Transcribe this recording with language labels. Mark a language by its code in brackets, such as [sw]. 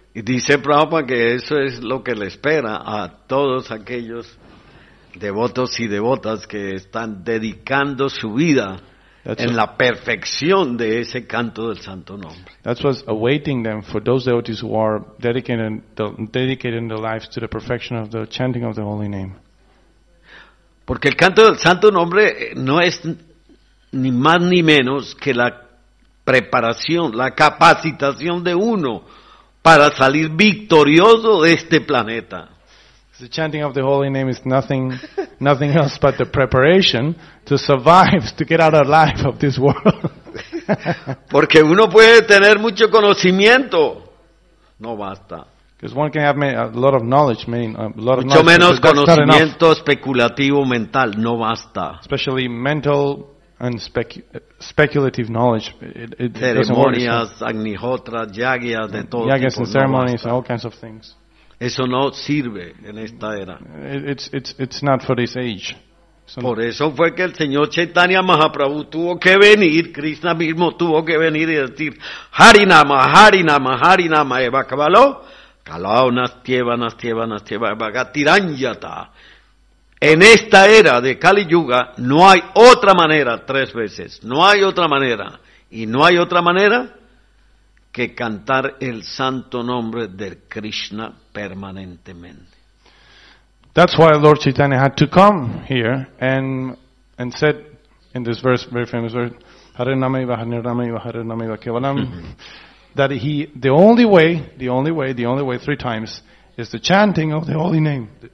[es] Y dice Prabhupada que eso es lo que le espera a todos aquellos devotos y devotas que están dedicando su vida en la perfección de ese canto del santo nombre. [en] That's what's awaiting them for those devotees who are dedicating their lives to the perfection of the chanting of the holy name. [es] Porque el canto del santo nombre no es ni más ni menos que la preparación, la capacitación de uno para salir victorioso de este planeta. [en] The chanting of the holy name is nothing else but the preparation to survive, to get out alive of this world. [es] Porque uno puede tener mucho conocimiento, no basta. [en] Because one can have a lot of knowledge, [es] mucho menos conocimiento especulativo mental, no basta. [en] Especially mental and speculative knowledge. [es] Ceremonias, agnihotras, yagyas, de todo yagyas tipo, [en] and ceremonies and all kinds of things. [es] Eso no sirve en esta era. [en] It's not for this age. [es] Por eso fue que el Señor Chaitanya Mahaprabhu tuvo que venir, Krishna mismo tuvo que venir y decir [sa] Harinama, Harinama, Harinama, Eva Kabalo, Kalao Nastieva, Nastieva, Nastieva, Eva Gatiranyata. [es] En esta era de Kali Yuga no hay otra manera, tres veces, no hay otra manera, y no hay otra manera que cantar el santo nombre de Krishna permanentemente. [en] That's why Lord Chaitanya had to come here and said in this verse, very famous verse, [sa] Harinama iva, Harinama iva, Harinama iva kevalam, [en] that the only way, three times, is the chanting of the holy name.